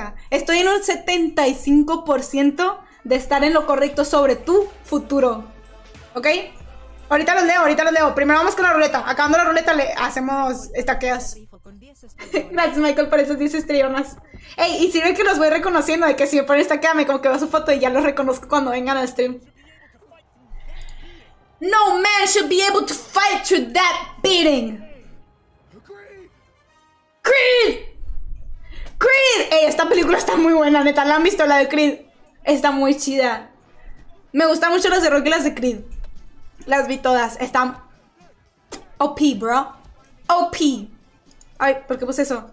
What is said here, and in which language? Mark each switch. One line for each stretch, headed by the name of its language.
Spanish: Estoy en un 75% de estar en lo correcto sobre tu futuro. ¿Ok? Ahorita los leo. Primero vamos con la ruleta. Acabando la ruleta, le hacemos estaqueos. Gracias, Michael, por esas 10 estrellonas. Ey, y sirve que los voy reconociendo, de que si me ponen estaqueame, como que veo su foto y ya los reconozco cuando vengan al stream.
English: No man should be able to fight to that beating.
Spanish: Creed. Creed. Ey, esta película está muy buena, neta. ¿La han visto, la de Creed? Está muy chida. Me gustan mucho las de Rocky y las de Creed. Las vi todas. Están OP, bro. OP. Ay, ¿por qué puse eso?